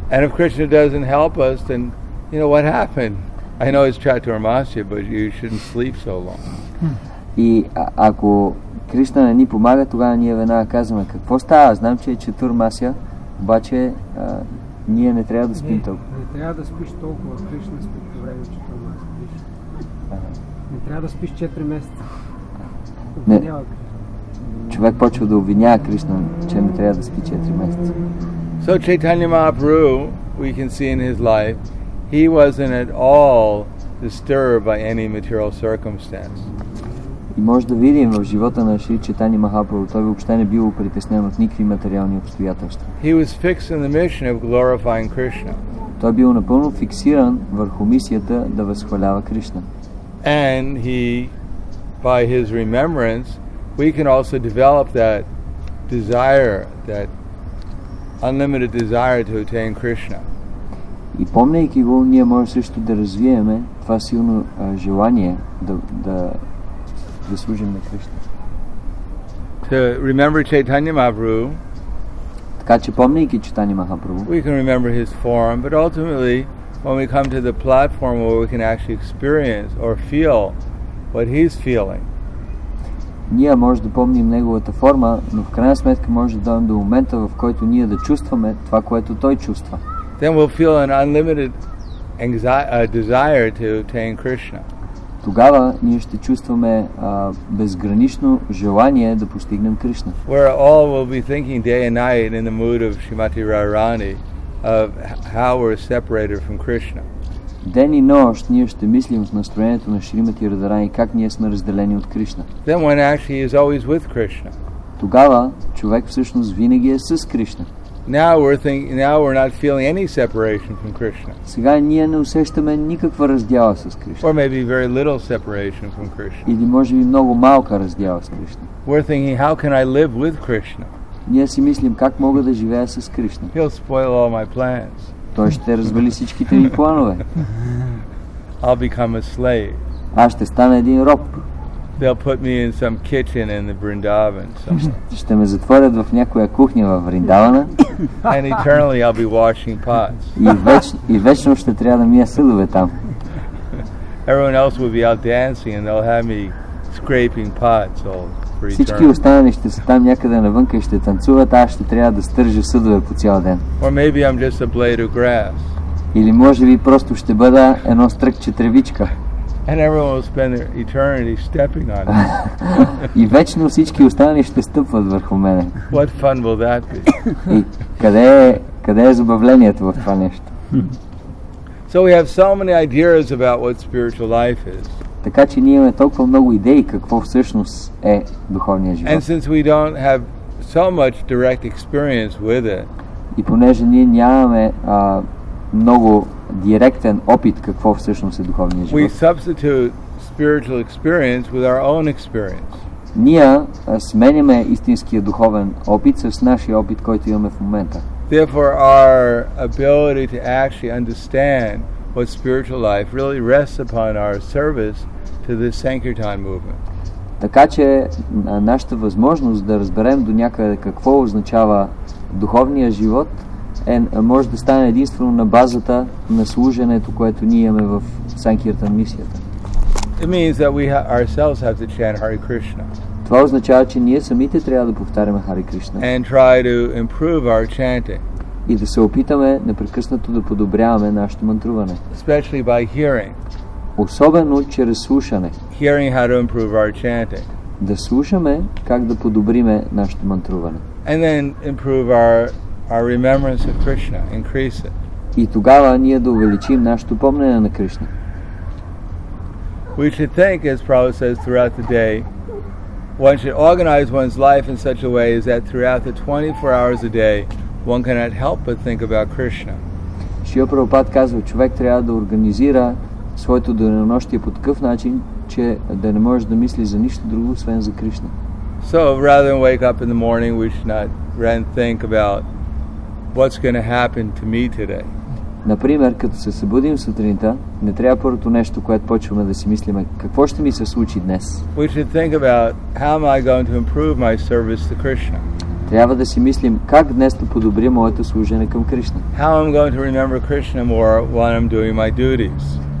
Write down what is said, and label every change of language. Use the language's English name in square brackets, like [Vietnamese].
[English] And if Krishna doesn't help us, then you know what happened? I know it's Chaturmasya, but you shouldn't sleep so long. [Bulgarian] И ако Кришна не ни помага, тогава ние веднага казваме, какво става? Знам, че е Чатурмасия, обаче ние не трябва да спим толкова. Не трябва да спиш толкова, Кришна спи по време на Чатурмасия. Не трябва да спиш 4 месеца. Не. Човек почва да обвинява Кришна, че не трябва да спи 4 месеца. [English] So Chaitanya Mahaprabhu, we can see in his life, he wasn't at all disturbed by any material circumstance. [Bulgarian] И може да видим в живота на Шри Чайтанья Махапрабху, той въобще не бил притеснен от никакви материални обстоятелства. [English] He was fixed in the mission of glorifying Krishna. [Bulgarian] Той бил напълно фиксиран върху мисията да възхвалява Кришна. [English] And he, by his remembrance, we can also develop that desire, that unlimited desire to attain Krishna. [Bulgarian] И помнейки го, ние можем също да развиеме това силно желание да служим на Кришна. [English] To remember Chaitanya Mahaprabhu. [Bulgarian] Така че помнейки Чайтанья Махапрабху. [English] We can remember his form, but ultimately, when we come to the platform where we can actually experience or feel what he's feeling. [Bulgarian] Ние може да помним неговата форма, но в крайна сметка може да дойдем до момента, в който ние да чувстваме това, което той чувства. [English] Then we'll feel an unlimited desire to attain Krishna. [Bulgarian] Тогава ние ще чувстваме безгранично желание да постигнем Кришна. [English] Where all will be thinking day and night in the mood of Shrimati Radharani of how we're separated from Krishna. [Bulgarian] Ден и нощ ние ще мислим в настроението на Шримати Радарани как ние сме разделени от Кришна. [English] Then one actually is always with Krishna. [Bulgarian] Тогава човек всъщност винаги е с Кришна. [English] Now we're not feeling any separation from Krishna. [Bulgarian] Сега ние не усещаме никаква раздяла с Кришна. [English] Or maybe very little separation from Krishna. [Bulgarian] Или може би много малка раздяла с Кришна. [English] We're thinking, how can I live with Krishna? [Bulgarian] Ние си мислим как мога да живея с Кришна. [English] He'll spoil all my plans. [Bulgarian] Той ще развали всичките ми планове. [English] I'll become a slave. [Bulgarian] Аз ще стана един роб. [English] They'll put me in some kitchen in the Vrindavan. [Bulgarian] Ще ме затворят в някоя кухня в Вриндавана. [English] And eternally I'll be washing pots. [Bulgarian] И вечно ще трябва да мия съдове там. [English] Everyone else will be out dancing and they'll have me scraping pots all for eternity. [Bulgarian] Всички останали ще са там някъде навън и ще танцуват, аз ще трябва да стържа съдове по цял ден. [English] Or maybe I'm just a blade of grass. [Bulgarian] Или може би просто ще бъда едно стръкче тревичка. [English] And everyone will spend their eternity stepping on me. [Bulgarian] И вечно всички останали ще стъпват върху мене. [English] What fun will that be? [Bulgarian] къде е забавлението в това нещо? [English] So we have so many ideas about what spiritual life is. [Bulgarian] Така че ние имаме толкова много идеи какво всъщност е духовният живот. [English] And since we don't have so much direct experience with it. [Bulgarian] И понеже ние нямаме много директен опит какво всъщност е духовният живот. [English] We substitute spiritual experience with our own experience. [Bulgarian] Ние сменяме истинския духовен опит с нашия опит, който имаме в момента. [English] Therefore our ability to actually understand what spiritual life really rests upon our service to the Sankirtan movement. [Bulgarian] Така че нашата възможност да разберем до някъде какво означава духовният живот е може да стане единствено на базата на служенето, което ние имаме в Санкиртан мисията. [English] It means that we ourselves have to chant Hare Krishna. [Bulgarian] Това означава, че ние самите трябва да повтаряме Hare Krishna. [English] And try to improve our chanting. [Bulgarian] И да се опитаме непрекъснато да подобряваме нашето мантруване. [English] Especially by hearing. [Bulgarian] Особено чрез слушане. [English] Hearing how to improve our chanting. [Bulgarian] Да слушаме как да подобриме нашето мантруване. [English] And then improve our remembrance of Krishna, increase it. [Bulgarian] И тогава ние да увеличим нашето помнене на Кришна. [English] We should think, as Prabhupada says throughout the day, one should organize one's life in such a way is that throughout the 24 hours a day, one cannot help but think about Krishna. [Bulgarian] Шрила Прабхупада казва, човек трябва да организира своето денонощие по такъв начин, че да не можеш да мислиш за нищо друго, освен за Кришна. [English] So rather than wake up in the morning, we should not then think about what's going to happen to me today. [Bulgarian] Например, като се събудим сутринта, не трябва първото нещо, което почваме да си мислим, какво ще ми се случи днес. [English] We should think about how am I going to improve my service to Krishna. [Bulgarian] Трябва да си мислим как днес да подобря моето служение към Кришна. [English] How am I going to remember Krishna more when I'm doing my duties?